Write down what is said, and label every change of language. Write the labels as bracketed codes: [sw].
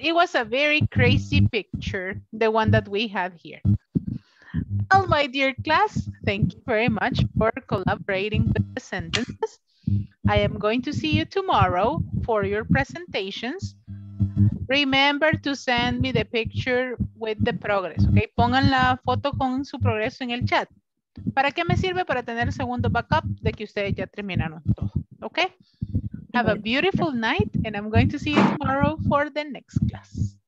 [en] It was a very crazy picture, the one that we have here. Well, my dear class, thank you very much for collaborating with the sentences. I am going to see you tomorrow for your presentations. Remember to send me the picture with the progress, okay? [es] Pongan la foto con su progreso en el chat. ¿Para qué me sirve? Para tener el segundo backup de que ustedes ya terminaron todo, okay? [en] Have a beautiful night, and I'm going to see you tomorrow for the next class.